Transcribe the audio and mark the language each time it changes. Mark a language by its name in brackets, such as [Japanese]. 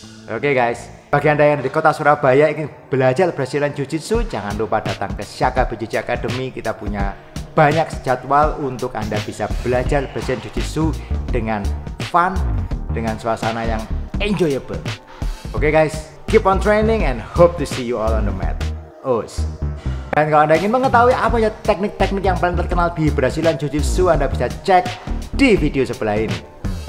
[Indonesian] Oke okay guys, bagi Anda yang di kota Surabaya ingin belajar Brazilian Jiu-Jitsu, jangan lupa datang ke Shaka BJJ Academy. Kita punya banyak jadwal untuk Anda bisa belajar Brazilian Jiu-Jitsu dengan fun, dengan suasana yang enjoyable. [English] Oke okay guys, keep on training and hope to see you all on the mat. [Indonesian] Oh, dan kalau Anda ingin mengetahui apa ya teknik-teknik yang paling terkenal di Brazilian Jiu-Jitsu, Anda bisa cek di video sebelah ini.